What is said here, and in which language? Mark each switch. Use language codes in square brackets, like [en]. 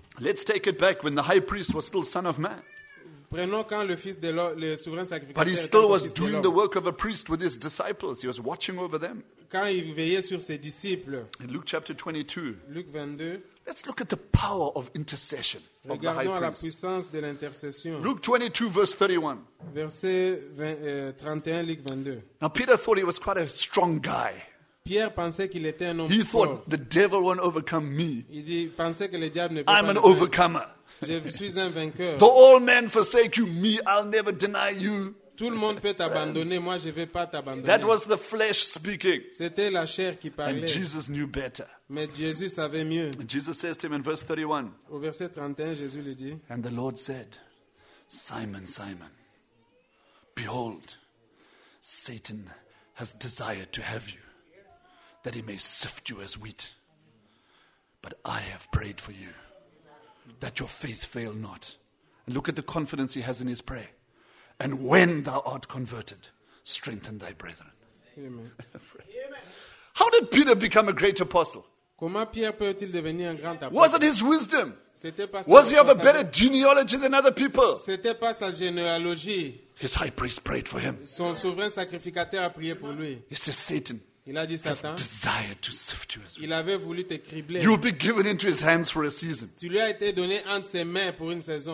[en] Let's take it back when the high priest was still son of man. [fr] Prenons quand le fils de le souverain sacrificateur. [en] But he still was doing the work of a priest with his disciples. He was watching over them. [fr] Quand il veillait sur ses disciples. [en] In Luke chapter 22. [fr] Luc 22. [en] Let's look at the power of intercession of the high priest. [fr] La puissance de l'intercession. [en] Luke 22, verse 31. [fr] Verset 31, Luc 22. [en] Now Peter thought he was quite a strong guy. [fr] Pierre pensait qu'il était un homme [en] he [fr] fort. [en] He thought the devil won't overcome me. [fr] Il dit, pensait que le diable ne peut I'm pas [en] an overcomer. [fr] Je suis un vainqueur. [en] The old man forsake you, me, I'll never deny you. [fr] Tout le monde peut t'abandonner, moi je ne vais pas t'abandonner. [en] That was the flesh speaking. [fr] C'était la chair qui parlait. [en] And Jesus knew better. [fr] Mais Jésus savait mieux. [en] And Jesus says to him in verse 31. [fr] Au verset 31, Jésus lui dit. [en] And the Lord said, Simon, Simon, behold, Satan has desired to have you, that he may sift you as wheat. But I have prayed for you, that your faith fail not. And look at the confidence he has in his prayer. And when thou art converted, strengthen thy brethren. Amen. How did Peter become a great apostle? [fr] Comment Pierre peut-il devenir un grand apôtre? [en] Was it his wisdom? [fr] C'était pas [en] was he of a better genealogy than other people? [fr] C'était pas sa généalogie. [en] His high priest prayed for him. [fr] Son souverain sacrificateur a prié pour lui. [en] He says, Satan. [fr] Il a dit Satan. [en] Has desired to sift you as well. [fr] Il avait voulu te cribler. [en] You will be given into his hands for a season. [fr] Tu lui as été donné entre ses mains pour une saison.